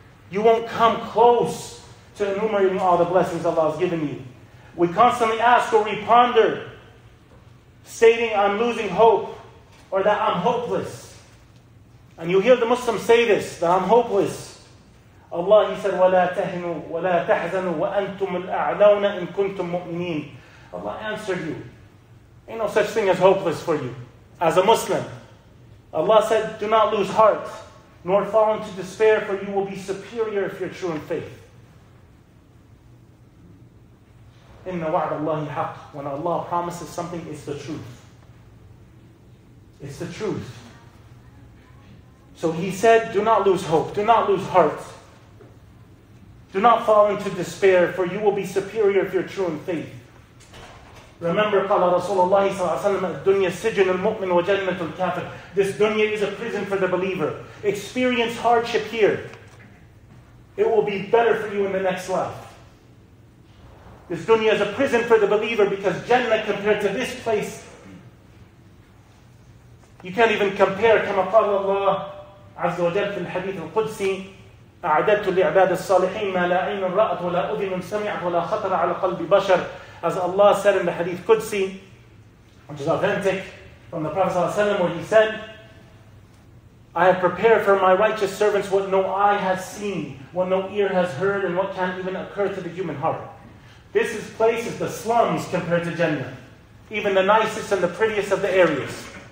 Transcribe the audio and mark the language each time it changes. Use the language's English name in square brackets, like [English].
[English] You won't come close to enumerating all the blessings Allah has given you. We constantly ask or we ponder, stating I'm losing hope or that I'm hopeless. And you hear the Muslims say this, that I'm hopeless. Allah, he said, [Arabic] وَلَا تَهِنُوا وَلَا تَحْزَنُوا وَأَنْتُمُ الْأَعْلَوْنَ إِن كُنْتُم مُؤْمِنِينَ. [English] Allah answered you. Ain't no such thing as hopeless for you as a Muslim. Allah said, do not lose heart, nor fall into despair, for you will be superior if you're true in faith. [Arabic] إِنَّ وَعْدَ اللَّهِ حَقٌّ. [English] When Allah promises something, it's the truth. It's the truth. So he said, do not lose hope, do not lose heart. Do not fall into despair, for you will be superior if you're true in faith. [Arabic] Remember, قال رسول الله صلى الله عليه وسلم الدنيا سجن المؤمن وجنة الكافر. [English] This dunya is a prison for the believer. Experience hardship here. It will be better for you in the next life. This dunya is a prison for the believer because Jannah compared to this place, you can't even compare. [Arabic] كما قال الله عز وجل في الحديث القدسي أعددت لعباد الصالحين ما لا عين رأت ولا أذن سمعت ولا خطر على قلب بشر. [English] As Allah said in the Hadith Qudsi, which is authentic, from the Prophet ﷺ, where he said, I have prepared for my righteous servants what no eye has seen, what no ear has heard, and what can't even occur to the human heart. This is places, the slums, compared to Jannah. Even the nicest and the prettiest of the areas.